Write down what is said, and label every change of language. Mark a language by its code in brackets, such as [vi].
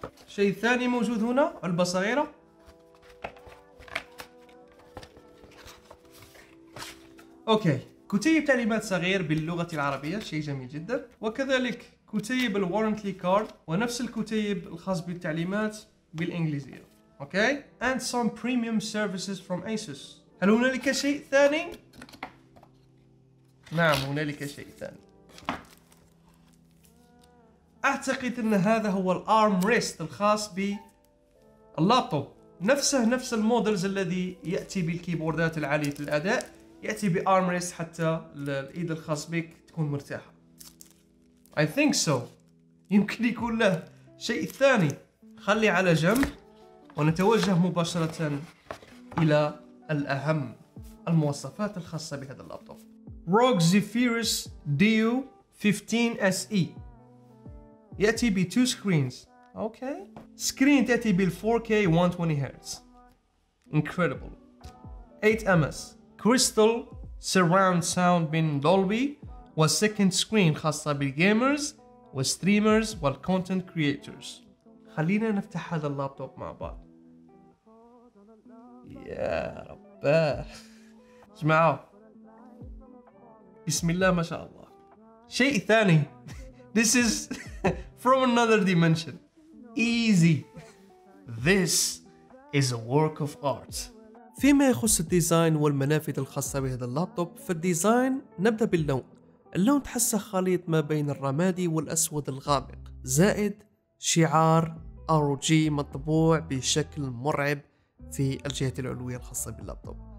[ar] شيء ثاني موجود هنا، علبة صغيرة. اوكي، كتيب تعليمات صغير باللغة العربية، شيء جميل جدا. وكذلك كتيب الوارنتلي كارد، ونفس الكتيب الخاص بالتعليمات بالانجليزية. اوكي. [en] And some premium services from Asus. [ar] هل هنالك شيء ثاني؟ نعم، هنالك شيء ثاني. اعتقد ان هذا هو الارم ريست الخاص باللابتوب. نفسه نفس المودلز الذي ياتي بالكيبوردات العالية الاداء، ياتي بارم ريست حتى الايد الخاص بك تكون مرتاحة. [en] I think so. [ar] يمكن يكون له شيء ثاني. خلي على جنب ونتوجه مباشرة إلى الأهم، المواصفات الخاصة بهذا اللابتوب. ROG Zephyrus Duo 15SE يأتي بـ [en] 2 screens. [ar] أوكي. سكرين تأتي بالـ 4K 120 Hz. [en] Incredible. 8MS. Crystal Surround Sound من Dolby. [ar] و [en] second screen [ar] خاصة بالجيمرز والستريمرز والكونتنت كرييترز. خلينا نفتح هذا اللابتوب مع بعض. يا رباه. اسمعوا. بسم الله ما شاء الله. شيء ثاني. [en] This is from another dimension. Easy. This is a work of art. [ar] فيما يخص الديزاين والمنافذ الخاصة بهذا اللابتوب، فالديزاين نبدأ باللون. اللون تحسه خليط ما بين الرمادي والأسود الغامق، زائد شعار ROG مطبوع بشكل مرعب في الجهة العلوية الخاصة باللابتوب.